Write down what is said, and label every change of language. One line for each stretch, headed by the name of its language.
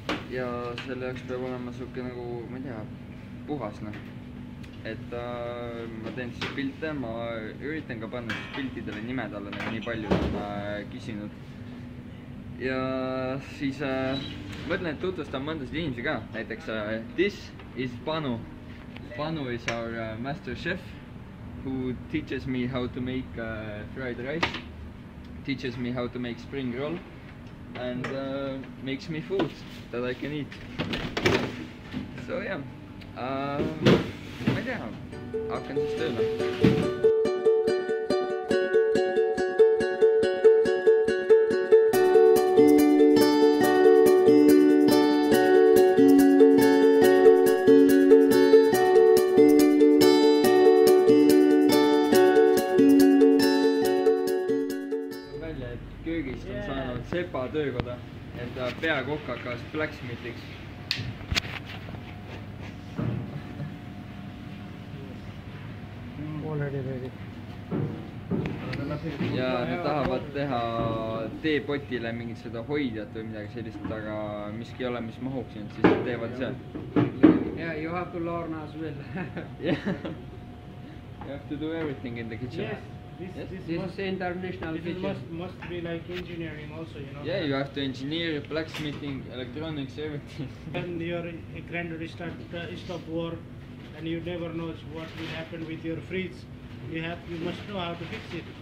Estonian: Ja selle jaoks peab olema suuke nagu, ma ei tea, puhas, noh. Et ma teen siis pilte, ma üritan ka panna siis piltidele nimed alla, nii palju on kisinud. Ja siis mõtlen, et tutvustan mõndasid inimesi ka. Näiteks,
English: this is Panu. Panu is our master chef, who teaches me how to make fried rice, teaches me how to make spring roll. And makes me food that I can eat. So yeah,
Estonian: ma ei tea, hakkan siis tööle. Sepa töökoda, et peakokk hakkas blacksmithiks. Ja nad tahavad teha teepotile mingit seda hoidjat või midagi sellist, aga miski ei ole, mis mahub siin, siis nad teevad seal.
English: Yeah, you have to learn as well. Yeah. You have to do everything in the kitchen. Yes. This must, international this must be like engineering also, you know. Yeah, you have to engineer, blacksmithing, electronics, everything. When your granddaddy stop work and you never know what will happen with your fridge, you must know how to fix it.